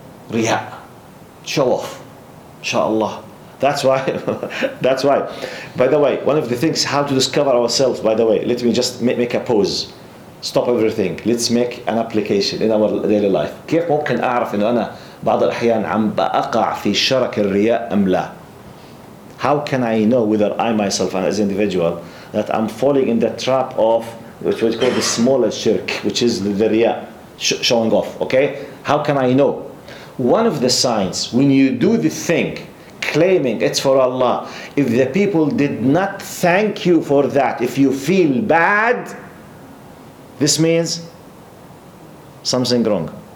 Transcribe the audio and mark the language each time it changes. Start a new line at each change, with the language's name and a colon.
English: Riya, show off, inshallah. That's why, that's why. By the way, one of the things, how to discover ourselves, by the way, let me just make a pause. Stop everything. Let's make an application in our daily life.
Arabic: كيف ممكن أعرف إنه أنا بعض الأحيان عم بأقع في شرك الرياء أم لا?
English: How can I know whether I myself and as an individual that I'm falling in the trap of which was called the smallest shirk, which is the riya, showing off, okay? How can I know? One of the signs, when you do the thing, claiming it's for Allah, if the people did not thank you for that, if you feel bad, this means something wrong.